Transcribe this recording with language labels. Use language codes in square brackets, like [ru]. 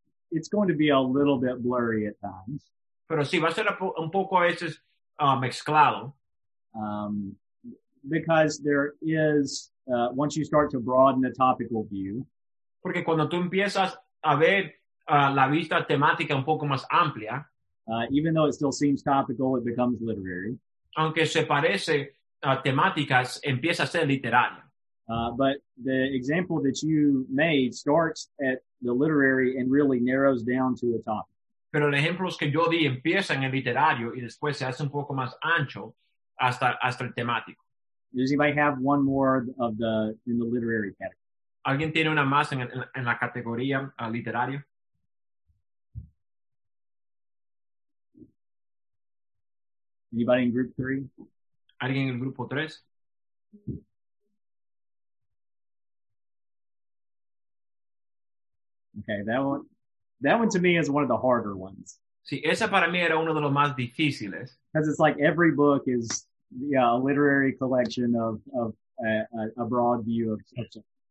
[en] It's going to be a little bit blurry at times. [es] Pero sí, va a ser un poco a veces mezclado. [en] Because there is, once you start to broaden the topical view. [es] Porque cuando tú empiezas a ver la vista temática un poco más amplia. [en] Even though it still seems topical, it becomes literary. [es] Aunque se parece temáticas, empieza a ser literaria. [en] But the example that you made starts at the literary and really narrows down to a topic. [es] Pero el ejemplo que yo di empieza en el literario y después se hace un poco más ancho hasta el temático. [en] Does anybody have one more of the in the literary category? [es] ¿Alguien tiene una más en la categoría literaria? [en] Anybody in group three? [es] ¿Alguien en grupo tres? [en] Okay, that one to me is one of the harder ones. [es] Sí, esa para mí era uno de los más difíciles. [en] Because it's like every book is, yeah, a literary collection of a broad view of such a...